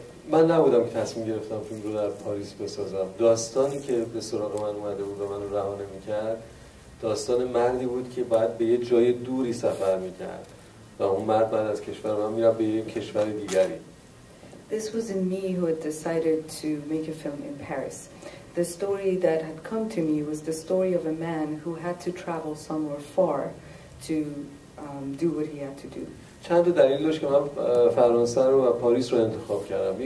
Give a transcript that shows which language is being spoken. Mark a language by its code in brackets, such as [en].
[fa] من نبودم که تصمیم گرفتم فیلم رو در پاریس بسازم. داستانی که به سراغ من اومده بود و من رو رها نمی‌کرد داستان مردی بود که باید به یه جای دوری سفر می‌کرد و اون مرد بعد از کشور من میره به یه کشور دیگری. [en] This was in me who had decided to make a film in Paris. The story that had come to me was the story of a man who had to travel somewhere far to do what he had to do. [fa] چند دلیل داشت که من فرانسه رو و پاریس رو انتخاب کردم.